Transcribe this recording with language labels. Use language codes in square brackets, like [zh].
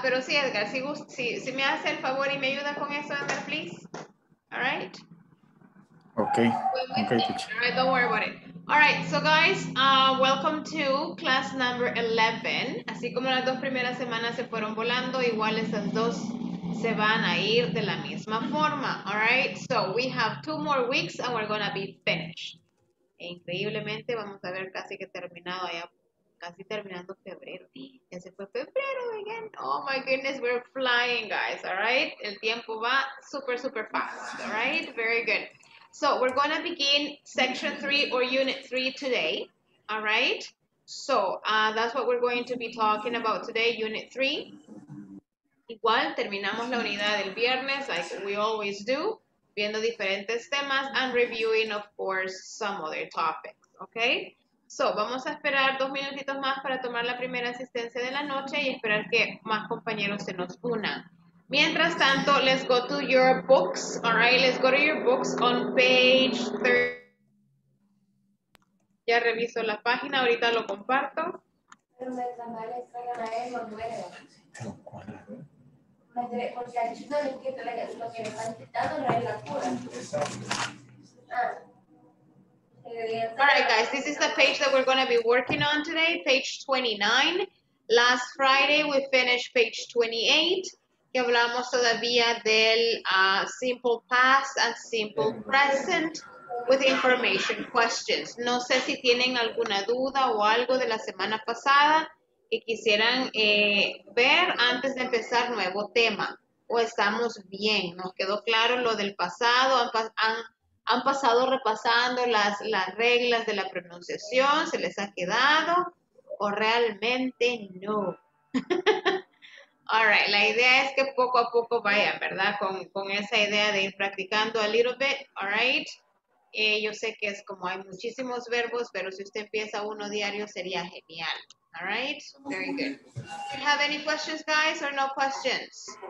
[es] Pero sí, Edgar, si me hace el favor y me ayuda con eso, Edgar, [en] please. All right. Okay, All right, don't worry about it. All right, so guys, welcome to class number 11. [es] Así como las dos primeras semanas se fueron volando, igual esas dos se van a ir de la misma forma. [en] All right, so we have two more weeks and we're gonna be finished. [es] E increíblemente vamos a ver casi que terminado allá, casi terminando febrero. Ya se fue febrero [en] again. Oh my goodness, we're flying, guys. All right, [es] el tiempo va [en] super, super fast. All right, very good. So we're going to begin section 3 or unit 3 today, all right? So that's what we're going to be talking about today, unit 3. [es] Igual, terminamos la unidad del viernes, [en] like we always do, [es] viendo diferentes temas [en] and reviewing, of course, some other topics, okay? [es] So vamos a esperar dos minutitos más para tomar la primera asistencia de la noche y esperar que más compañeros se nos unan. Mientras tanto, [en] let's go to your books, all right? Let's go to your books on page 30. [es] Ya reviso la página, ahorita lo comparto. Pero mientras Maestra Gabriel no muere. Porque al chico le quiere lo que le están [en] All right, guys, this is the page that we're going to be working on today, page 29. Last Friday, we finished page 28. [es] Que hablamos todavía del [en] simple past and simple present with information questions. [es] No sé si tienen alguna duda o algo de la semana pasada que quisieran ver antes de empezar nuevo tema. O estamos bien, nos quedó claro lo del pasado, han pasado repasando las reglas de la pronunciación, se les ha quedado o realmente no. [en] All right, [es] la idea es que poco a poco vayan, ¿verdad? Con esa idea de ir practicando [en] a little bit, all right? [es] Yo sé que es como hay muchísimos verbos, pero si usted empieza uno diario sería genial, [en] all right? Very good. Do you have any questions, guys, or no questions?